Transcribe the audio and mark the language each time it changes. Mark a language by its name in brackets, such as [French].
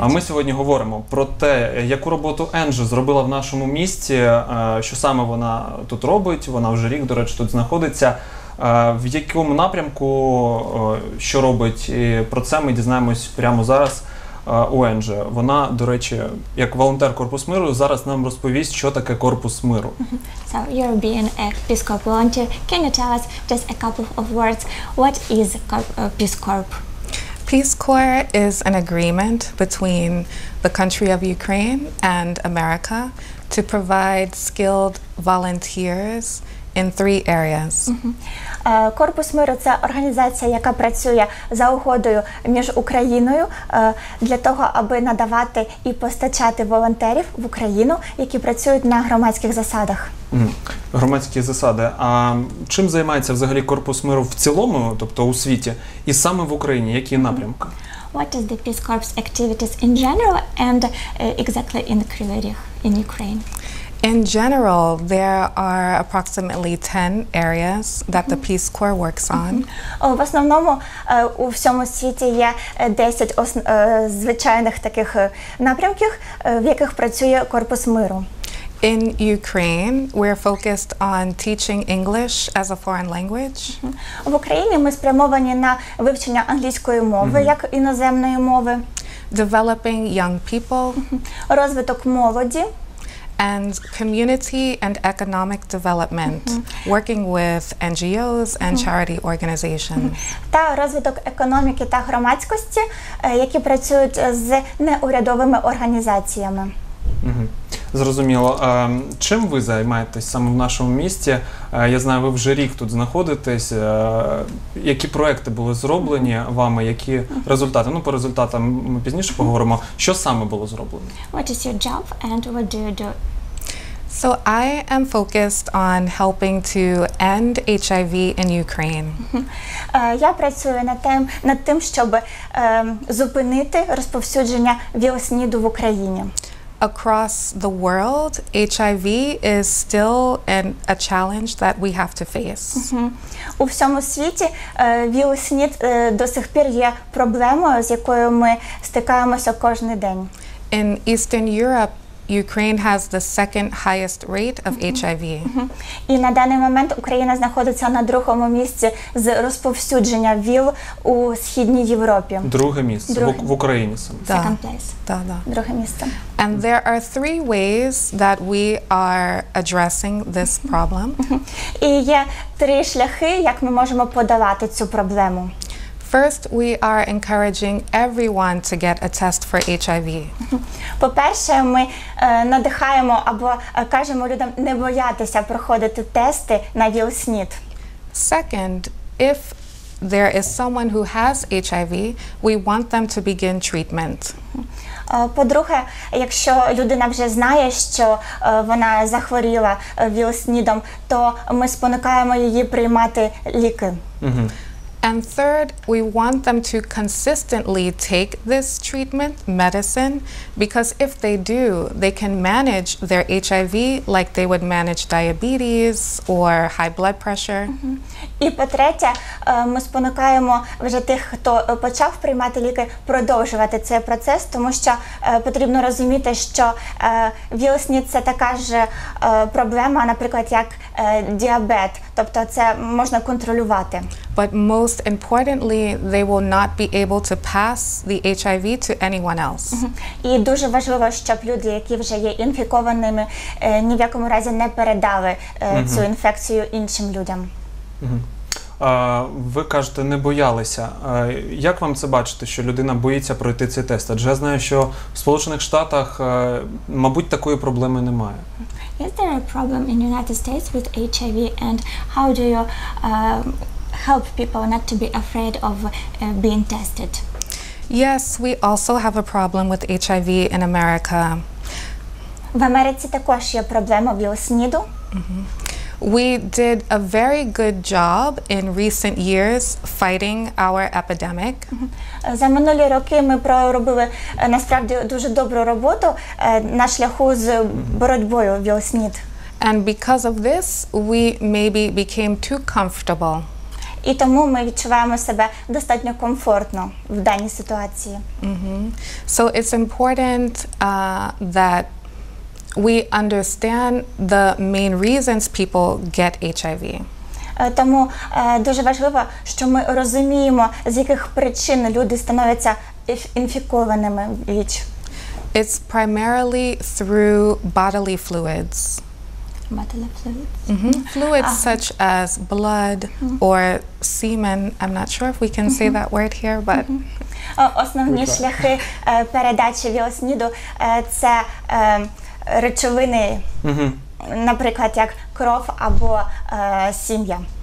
[Ukrainian] А ми сьогодні говоримо про те, яку роботу Енджі зробила в нашому місті, що саме вона тут робить, вона вже рік, до речі, тут знаходиться. В якому напрямку, що робить, і про це ми дізнаємось прямо зараз у Енджі. Вона, до речі, як волонтер Корпус миру, зараз нам розповість, що таке Корпус миру. [English] So, you're being a Peace Corps volunteer. Can you tell us just a couple of words? What is Peace Corps? Peace Corps is an agreement between the country of Ukraine and America to provide skilled volunteers in three areas. [Ukrainian] Корпус миру – це організація, яка працює за угодою між Україною для того, аби надавати і постачати волонтерів в Україну, які працюють на громадських засадах. Громадські засади. А чим займається взагалі Корпус миру в цілому, тобто у світі, і саме в Україні, які напрямки? [English] What is the Peace Corps activities in general and exactly in the Kryvyi Rih in Ukraine? In general, there are approximately 10 areas that the Peace Corps works on. [Ukrainian] В основному у всьому світі є 10 звичайних таких напрямків, в яких працює Корпус миру. [English] In Ukraine, we're focused on teaching English as a foreign language. [Ukrainian] В Україні ми спрямовані на вивчення англійської мови як іноземної мови. [English] Developing young people. [Ukrainian] Розвиток молоді. [English] And community and economic development, working with NGOs and charity organizations. [Ukrainian] Та розвиток економіки та громадськості, які працюють з неурядовими організаціями. Зрозуміло. Чим ви займаєтесь саме в нашому місті? Я знаю, ви вже рік тут знаходитесь. Які проекти були зроблені вами, які результати? Ну, по результатам ми пізніше поговоримо. Що саме було зроблено? [English] What is your job and what do you do? So I am focused on helping to end HIV in Ukraine. [Ukrainian] Я працюю над тим, щоб зупинити розповсюдження ВІЛ-СНІДу в Україні. [English] Across the world, HIV is still a challenge that we have to face. [Ukrainian] У всьому світі ВІЛ-СНІД до сих пір є проблемою, з якою ми стикаємося кожен день. [English] In Eastern Europe, Ukraine has the second highest rate of HIV. [Ukrainian] І на даний момент Україна знаходиться на другому місці з розповсюдження ВІЛ у Східній Європі. Друге місце. Друге. В Україні саме. [English] Да. Second place. [Ukrainian] Да. Друге місце. [English] And there are three ways that we are addressing this problem. [Ukrainian] І є три шляхи, як ми можемо подолати цю проблему. [English] First, we are encouraging everyone to get a test for HIV. [Ukrainian] По-перше, ми надихаємо або кажемо людям не боятися проходити тести на ВІЛ-СНІД. [English] Second, if there is someone who has HIV, we want them to begin treatment. [Ukrainian] По-друге, якщо людина вже знає, що вона захворіла ВІЛ-СНІДом, то ми спонукаємо її приймати ліки. [English] And third, we want them to consistently take this treatment, medicine, because if they do, they can manage their HIV like they would manage diabetes or high blood pressure. [Ukrainian] І по-третє, ми спонукаємо вже тих, хто почав приймати ліки, продовжувати цей процес, тому що потрібно розуміти, що ВІЛ-СНІД – це така ж проблема, наприклад, як діабет. Тобто це можна контролювати. [English] But most importantly, they will not be able to pass the HIV to anyone else. [Ukrainian] І дуже важливо, щоб люди, які вже є інфікованими, ні в якому разі не передали цю інфекцію іншим людям. Ви кажете, не боялися. Як вам це бачити, що людина боїться пройти цей тест? Адже я знаю, що в Сполучених Штатах, мабуть, такої проблеми немає. [English] Is there a problem in United States with HIV and how do you help people not to be afraid of being tested? Yes, we also have a problem with HIV in America. [Ukrainian] В Америці також є проблема ВІЛ-СНІДу. [English] We did a very good job in recent years fighting our epidemic. [Ukrainian] За минулі роки ми проробили насправді дуже добру роботу на шляху з боротьбою ВІЛСНІД. [English] And because of this, we maybe became too comfortable. [Ukrainian] І тому ми відчуваємо себе достатньо комфортно в даній ситуації. [English] So it's important that we understand the main reasons people get HIV. [Ukrainian] Тому дуже важливо, що ми розуміємо, з яких причин люди становляться інфікованими ВІЧ. [English] It's primarily through bodily fluids. Fluids such as blood or semen. I'm not sure if we can say that word here, but [Ukrainian] основні шляхи передачі ВІЛСНІДу це речовини, наприклад, як кров або сім'я.